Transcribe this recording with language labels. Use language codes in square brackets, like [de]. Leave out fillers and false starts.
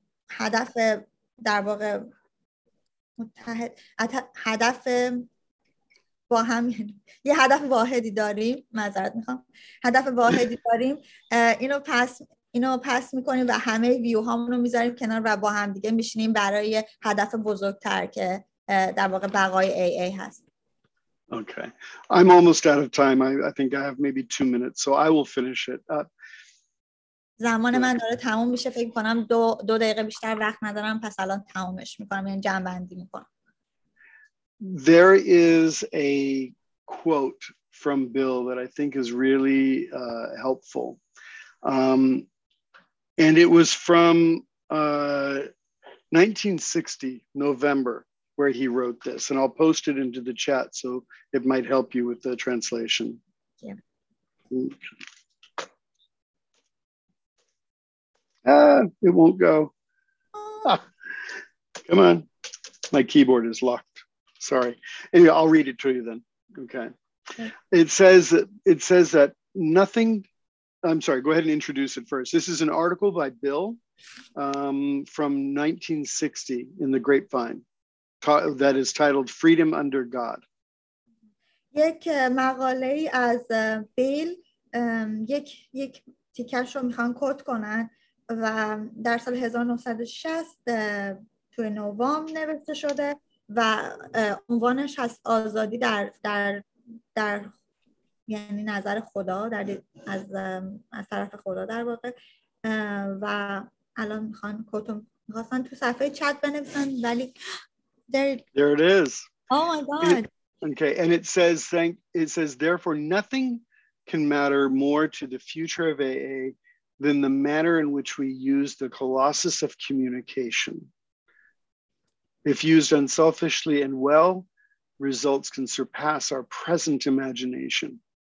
[fa] هدف در واقع متحد هدف با هم یه هدف واحدی داریم، معذرت میخوام، هدف واحدی داریم، اینو پس میکنیم و همه ویوهامونو میذاریم کنار و با هم دیگه میشینیم برای هدف بزرگتر که در واقع بقای AA هست. [en] Okay. I'm almost out of time. I think I have maybe 2 minutes, so I will finish it up. [fa] زمان من داره تموم میشه. فکر کنم دو دقیقه بیشتر وقت ندارم، پس الان تمومش میکنم، یعنی جمع‌بندی میکنم. [en] There is a quote from Bill that I think is really helpful. And it was from 1960, November. Where he wrote this, and I'll post it into the chat so it might help you with the translation. Yeah. It won't go. Come on. My keyboard is locked. Sorry. Anyway, I'll read it to you then. Okay. It says that nothing, I'm sorry, go ahead and introduce it first. This is an article by Bill from 1960 in The Grapevine. That is titled Freedom Under God. [fa] یک مقاله از بیل، یک تیکش رو میخوان کوت کنن و در سال 1960 توی نوامبر نوشته شده و عنوانش هست آزادی در یعنی نظر خدا، در از طرف خدا در واقع، و الان میخوان کوت رو میخواستن تو صفحه چت بنویسن ولی [en] There it is. Oh my God. Okay, and it says therefore nothing can matter more to the future of AA than the manner in which we use the colossus of communication. If used unselfishly and well, results can surpass our present imagination.